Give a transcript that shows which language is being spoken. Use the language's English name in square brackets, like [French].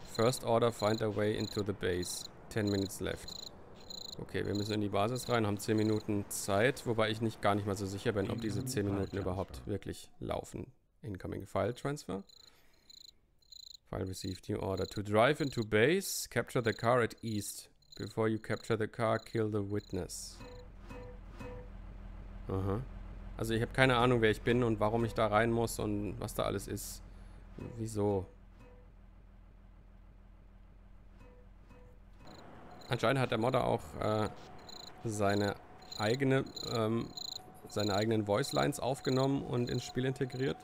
[English] First order, find a way into the base. 10 minutes left. [German] Okay, wir müssen in die Basis rein, haben 10 Minuten Zeit, wobei ich nicht gar nicht mal so sicher bin, ob diese 10 Minuten überhaupt wirklich laufen. [English] Incoming file transfer. File received new order. To drive into base, capture the car at east. Before you capture the car, kill the witness. Aha. [German] Also ich habe keine Ahnung, wer ich bin und warum ich da rein muss und was da alles ist. Wieso? Anscheinend hat der Modder auch seine eigenen Voice Lines aufgenommen und ins Spiel integriert.